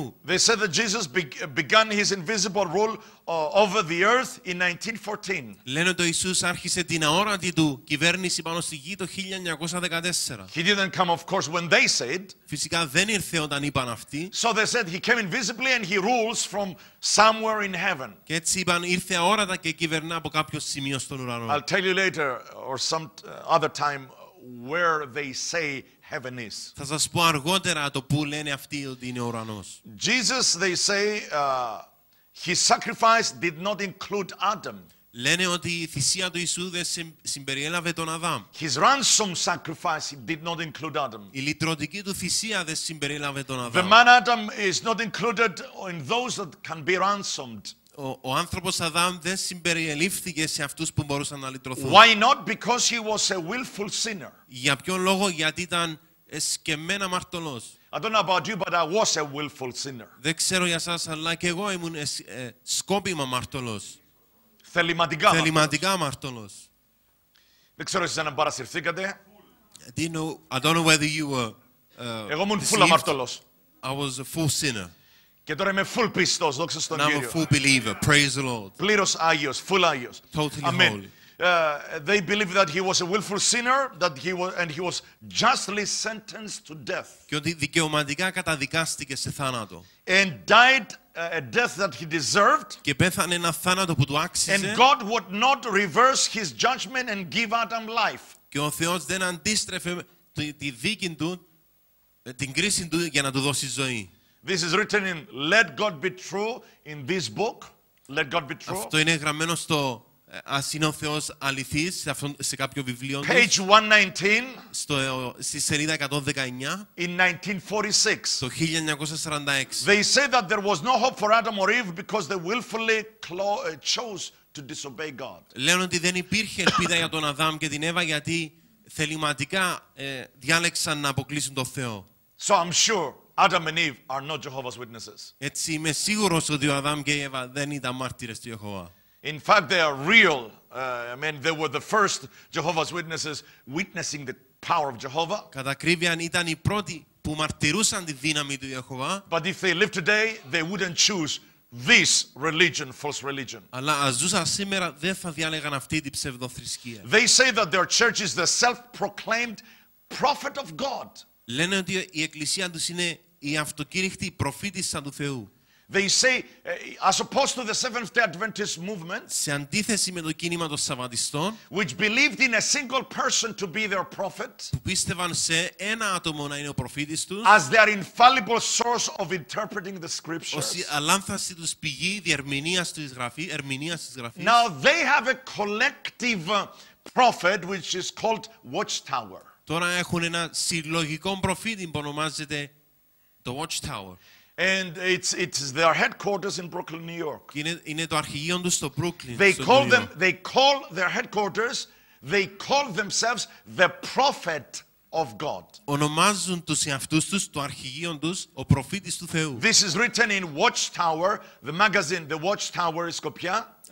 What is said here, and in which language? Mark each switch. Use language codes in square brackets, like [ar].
[en] They said that Jesus began his invisible rule over the earth in 1914. [el] Λένε ότι ο Ιησούς άρχισε την αόρατη του κυβέρνηση πάνω στη γη το 1914. [en] He didn't come, of course, when they said. [el] Φυσικά δεν ήρθε όταν είπαν αυτοί. [en] So they said he came invisibly and he rules from somewhere in heaven. [el] Και έτσι είπαν ήρθε αόρατα και κυβερνά από κάποιο σημείο στον ουρανό. [en] I'll tell you later or some other time where they say. Heaven is. [el] Θα σας πω αργότερα το που λένε αυτοί ότι είναι ο ουρανός. [en] Jesus, they say, his sacrifice did not include Adam. [el] Λένε ότι η θυσία του Ιησού δεν συμπεριέλαβε τον Αδάμ. [en] His ransom sacrifice did not include Adam. [el] Η λυτρωτική του θυσία δεν συμπεριέλαβε τον Αδάμ. [en] The man Adam is not included in those that can be ransomed. [el] Ο άνθρωπος Αδάμ δεν συμπεριελήφθηκε σε αυτούς που μπορούσαν να λυτρωθούν. [en] Why not? Because he was a willful sinner. [el] Για ποιον λόγο, γιατί ήταν εσκεμμένα αμαρτωλός. [en] I don't know about you, but I was a willful sinner. [el] Δεν ξέρω για σας, αλλά και εγώ ήμουν σκόπιμα αμαρτωλός. Θεληματικά αμαρτωλός. Δεν ξέρω εσείς αν παρασυρθήκατε. [en] I don't know whether you were [el] Εγώ ήμουν full αμαρτωλός. [en] I was a full sinner. [el] Και τώρα είμαι full πιστός, δόξα στον Κύριο. [en] I'm a full believer, praise the Lord. [el] Πλήρως Άγιος, full Άγιος. [en] Totally Amen. Holy. they believe that he was a willful sinner, that he was, and he was justly sentenced to death. [el] Και ότι δικαιωματικά καταδικάστηκε σε θάνατο. [en] And died a death that he deserved. [el] Και πέθανε ένα θάνατο που του άξιζε. [en] And God would not reverse his judgment and give Adam life. [el] Και ο Θεός δεν αντίστρεφε τη δίκη του, την κρίση του, για να του δώσει ζωή. [en] This is written in "Let God be true" in this book. Let God be true. [el] Αυτό είναι γραμμένο στο ας είναι ο Θεός αληθής, σε κάποιο βιβλίο. [en] Page 119. [el] Στη σελίδα 119. [en] In 1946. [el] Το 1946. [en] They say that there was no hope for Adam or Eve because they willfully chose to disobey God. [el] Λένε ότι δεν υπήρχε ελπίδα για τον Αδάμ και την Εύα γιατί θεληματικά διάλεξαν να αποκλείσουν τον Θεό. [en] So I'm sure Adam and Eve are not Jehovah's Witnesses. [el] Έτσι είμαι σίγουρος ότι ο Αδάμ και η Εύα δεν ήταν μάρτυρες του Ιεχωβά. [en] In fact, they are real. I mean, they were the first Jehovah's Witnesses witnessing the power of Jehovah. [el] Κατά κρίβια ήταν οι πρώτοι που μαρτυρούσαν τη δύναμη του Ιεχωβά. [en] But if they live today, they wouldn't choose this religion, false religion. [el] Αλλά αν ζούσαν σήμερα, δεν θα διάλεγαν αυτή την ψευδοθρησκεία. [en] They say that their church is the self-proclaimed prophet of God. [el] Λένε ότι η εκκλησία τους είναι η αυτοκήρυχτη προφήτισσα του Θεού. [en] They say, as opposed to the Seventh-day Adventist movement, [el] σε αντίθεση με το κίνημα των Σαββατιστών, [en] which believed in a single person to be their prophet, [el] που πίστευαν σε ένα άτομο να είναι ο προφήτης τους, [en] as their infallible source of interpreting the scriptures, [el] ως η αλάνθαστη τους πηγή διερμηνίας της γραφής, ερμηνείας της γραφής. [en] Now they have a collective prophet which is called Watchtower. [el] Τώρα έχουν ένα συλλογικό προφήτη που ονομάζεται το Watchtower. [en] And it's their headquarters in Brooklyn, New York. [el] Είναι το αρχηγείο τους στο Brooklyn. [en] They call their headquarters. They call themselves the prophet of God. [el] Ονομάζουν τους εαυτούς τους το αρχηγείο τους ο προφήτης του Θεού. [en] This is written in Watchtower, the magazine, the Watchtower in Skopje.